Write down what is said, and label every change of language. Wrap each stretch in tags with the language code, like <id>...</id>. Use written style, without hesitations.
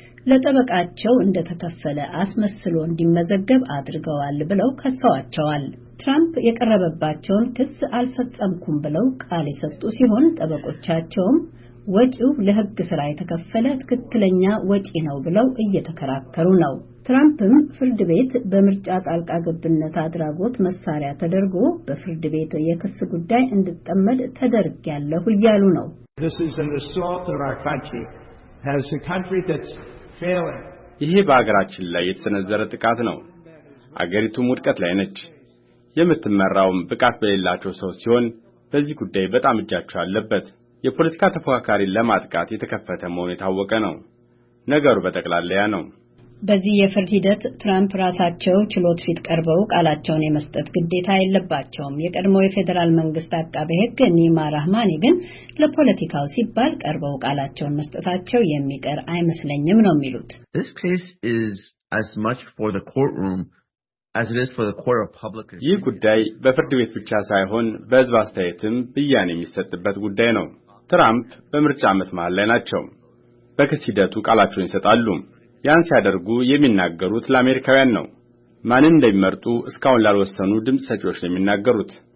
<am>ለጠበቃቸው እንደተከፈለ አስመስሎ እንዲመዘገብ አድርገዋል ብለው ከሰዋቸዋል። ትራምፕ የቀረበባቸውን ክስ አልፈጸምኩም ብለው ቃል የሰጡ ሲሆን ጠበቆቻቸውም ወጪው ለህግ ስራ የተከፈለ ትክክለኛ ወጪ ነው ብለው እየተከራከሩ ነው። ትራምፕም ፍርድ ቤት በምርጫ ጣልቃ ገብነት አድራጎት መሳሪያ ተደርጎ በፍርድ ቤት የክስ ጉዳይ እንድጠመድ ተደርጊያለሁ እያሉ ነው።</am> <en>has a country that's failing.</en> <am>ይሄ በአገራችን ላይ የተሰነዘረ ጥቃት ነው። አገሪቱ ውድቀት ላይ ነች። የምትመራውም ብቃት በሌላቸው ሰው ሲሆን በዚህ ጉዳይ በጣም እጃቸው አለበት። የፖለቲካ ተፎካካሪ ለማጥቃት የተከፈተ መሆኑ የታወቀ ነው። ነገሩ በጠቅላላ ነው። በዚህ የፍርድ ሂደት ትራምፕ ራሳቸው ችሎት ፊት ቀርበው ቃላቸውን የመስጠት ግዴታ የለባቸውም። የቀድሞው የፌደራል መንግስት አቃቤ ሕግ ኒማ ራህማኒ ግን ለፖለቲካው ሲባል ቀርበው ቃላቸውን መስጠታቸው የሚቀር አይመስለኝም ነው የሚሉት።</am> <en>This case is as much for the courtroom as it is for the court of public opinion.</en> <am>ይህ ጉዳይ በፍርድ ቤት ብቻ ሳይሆን በህዝብ አስተያየትም ብያኔ የሚሰጥበት ጉዳይ ነው። ትራምፕ በምርጫ ዓመት መሃል ላይ ናቸው። በክስ ሂደቱ ቃላቸውን ይሰጣሉ። ያን ሲያደርጉ የሚናገሩት ለአሜሪካውያን ነው። ማን እንደሚመርጡ እስካሁን ላልወሰኑ ድምጽ ሰጪዎች ነው የሚናገሩት።</am>